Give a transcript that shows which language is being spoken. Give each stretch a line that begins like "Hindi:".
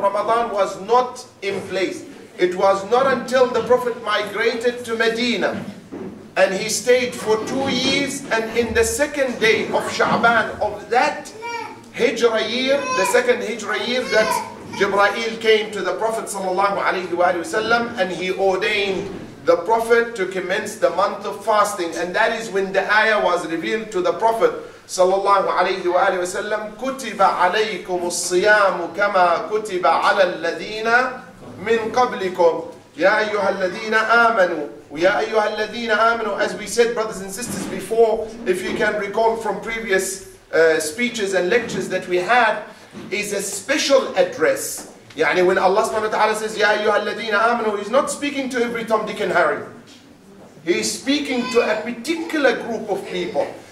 English: Ramadan was not in place. It was not until the Prophet migrated to Medina and he stayed for 2 years. And in the second day of Sha'ban of that Hijra year, the second Hijra year, that Jibreel came to the Prophet وسلم, and he ordained the Prophet to commence the month of fasting. And that is when the ayah was revealed to the Prophet
Arabic: وسلم, كُتِبَ عَلَيْكُمُ الصِّيَامُ كَمَا كُتِبَ عَلَى الَّذِينَ مِنْ قَبْلِكُمْ يَا أَيُّهَا الَّذِينَ آمَنُوا وَيَا أَيُّهَا الَّذِينَ آمَنُوا.
English: As we said, brothers and sisters, before, if you can recall from previous speeches and lectures that we had, is a special address. Yani when Allah subhanahu wa ta'ala says,
Arabic: Ya ayyuhal ladheena amanu,
English: He's not speaking to every Tom, Dick and Harry. He's speaking to a particular group of people.